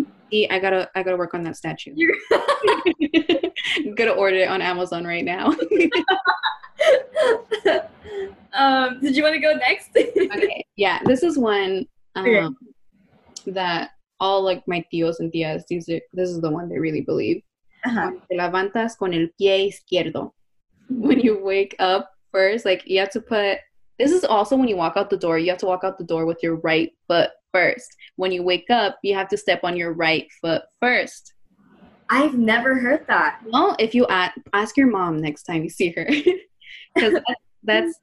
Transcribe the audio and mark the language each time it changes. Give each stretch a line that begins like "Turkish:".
English: See, I gotta work on that statue. I'm going to order it on Amazon right now. Did you want to go next? Okay. Yeah, this is one that all, like, my tios and tias, this is the one they really believe. Uh-huh.
Spanish: Te levantas con el pie izquierdo.
English: When you wake up first, like, you have to put... This is also when you walk out the door. You have to walk out the door with your right foot first. When you wake up, you have to step on your right foot first. I've never heard that. Well, if you ask your mom next time you see her. Because that's...